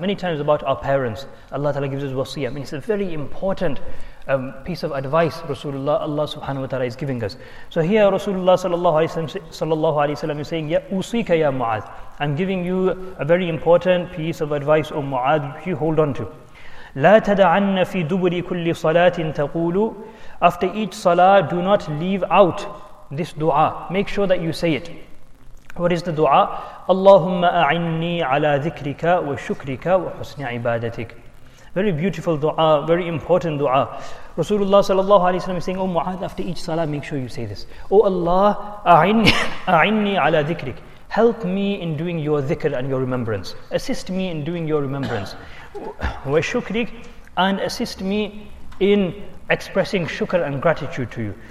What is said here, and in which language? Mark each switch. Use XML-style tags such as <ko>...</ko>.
<en>Many times about our parents, Allah ta'ala gives us wasiyya. I mean, it's a very important piece of advice Rasulullah Allah subhanahu wa ta'ala is giving us. So here Rasulullah sallallahu alayhi wa sallam is saying, "Usika ya Mu'adh, I'm giving you a very important piece of advice, O Mu'adh, you hold on to.</en> <ar>لا تدعن في دبر كل صلاة تقول."</ar> <en>After each salah, do not leave out this dua. Make sure that you say it. What is the dua?</en> <ar>اللهم أعني على ذكرك وشكرك وحسن عبادتك.</ar> <en>Very beautiful dua, very important dua. Rasulullah sallallahu alayhi wa sallam is saying, "Oh Mu'adh, after each salah, make sure you say this. Oh Allah,</en> <ar>أعني على ذكرك.</ar> <en>Help me in doing your dhikr and your remembrance. Assist me in doing your remembrance. Wa shukrik, and assist me in expressing shukr and gratitude to you.</en>